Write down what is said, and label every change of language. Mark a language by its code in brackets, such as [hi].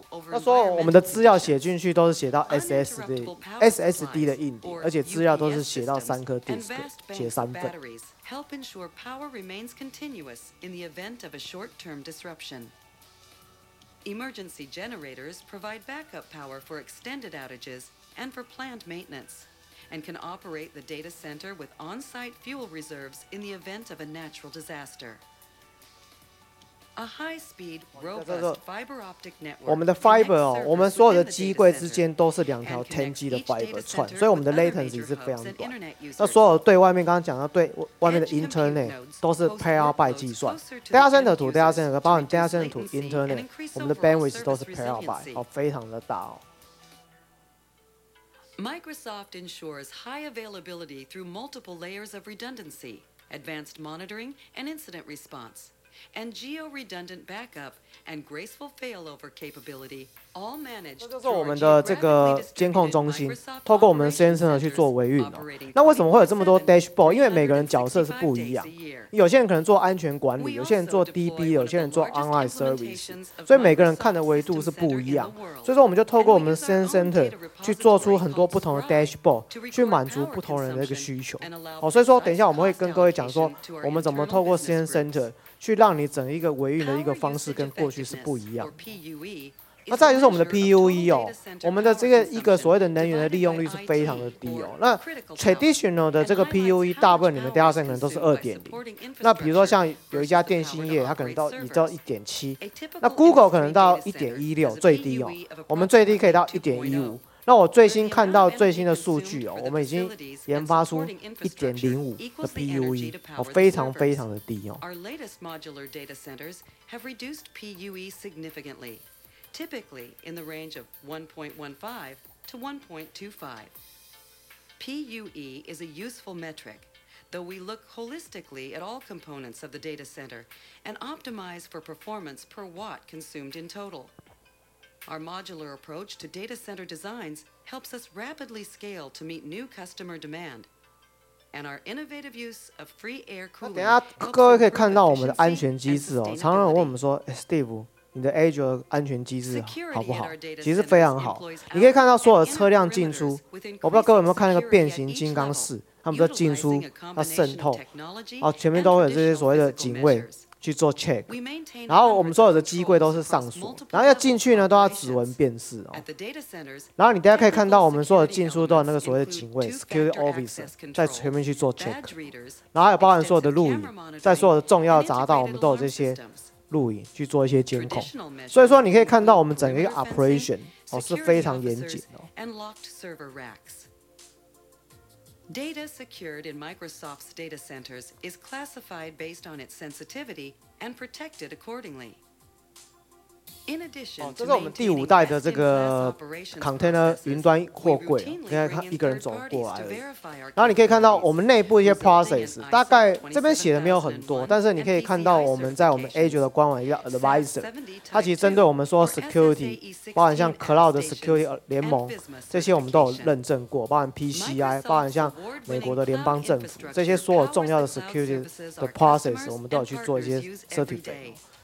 [zh] 那说我们的资料写进去都是写到 SSD 的硬碟，而且资料都是写到三颗 disk， 写三份。 [en] Help ensure power remains continuous in the event of a short-term disruption. Emergency generators provide backup power for extended outages and for planned maintenance, and can operate the data center with on-site fuel reserves in the event of a natural disaster. A high-speed, robust fiber optic network. [zh] 我们的 fiber 哦，我们所有的机柜之间都是两条 10G 的 fiber 串，所以我们的 latency 是非常短。那所有对外面刚刚讲到对外面的 internet 都是 terabyte 计算。 [en] Data center to data center， [zh] 包含 [en] data center to internet， [zh] 我们的 bandwidth 都是 terabyte， 哦，非常的大哦。 [en] Microsoft ensures high availability through multiple layers of redundancy, advanced monitoring, and incident response. And geo-redundant backup and graceful failover capability, all managed through our geographically distributed Microsoft operating centers to do the operating. [zh] 那为什么会有这么多 dashboard？因为每个人角色是不一样。有些人可能做安全管理，有些人做 DB， 有些人做 online service， 所以每个人看的维度是不一样。所以说，我们就透过我们 CN Center 去做出很多不同的 dashboard， 去满足不同人的一个需求。好，所以说，等一下我们会跟各位讲说，我们怎么透过 CN Center 去让你整一个维运的一个方式跟过去是不一样。那再来就是我们的 PUE 哦，我们的这个一个所谓的能源的利用率是非常的低哦。那 traditional 的这个 PUE 大部分你们 data center 都是 2.0， 那比如说像有一家电信业，它可能到已到 1.7， 那 Google 可能到 1.16 最低哦，我们最低可以到 1.15。那我最新看到最新的数据哦，我们已经研发出 1.05 的 PUE， 哦，非常非常的低哦。 [en] Our latest modular data centers have reduced PUE significantly. Typically in the range of 1.15 to 1.25. PUE is a useful metric, though we look holistically at all components of the data center and optimize for performance per watt consumed in total. Our modular approach to data center designs helps us rapidly scale to meet new customer demand. And our innovative use of free air cooling. [zh] 等一下，各位可以看到我们的安全机制哦。常常问我们说，欸，Steve。你的 Azure 安全机制好不好？其实非常好。你可以看到所有的车辆进出，我不知道各位有没有看那个变形金刚四，他们说进出要渗透，前面都会有这些所谓的警卫去做 check。然后我们所有的机柜都是上锁，然后要进去呢都要指纹辨识哦。然后你大家可以看到我们所有的进出都有那个所谓的警卫 security officer 在前面去做 check。然后还有包含所有的录影，在所有的重要的匝道，我们都有这些。录影去做一些监控，所以说你可以看到我们整个 operation 哦是非常严谨的。 [en] And locked server racks. Data secured in Microsoft's data centers is classified based on its sensitivity and protected accordingly. [zh] 这是我们第五代的这个 container 云端货柜，你看一个人走过来了。然后你可以看到我们内部一些 process， 大概这边写的没有很多，但是你可以看到我们在我们 Azure 的官网一个 advisor， 它其实针对我们说 security， 包含像 cloud 的 security 联盟，这些我们都有认证过，包含 PCI， 包含像美国的联邦政府，这些所有重要的 security 的 process， 我们都有去做一些 certificate。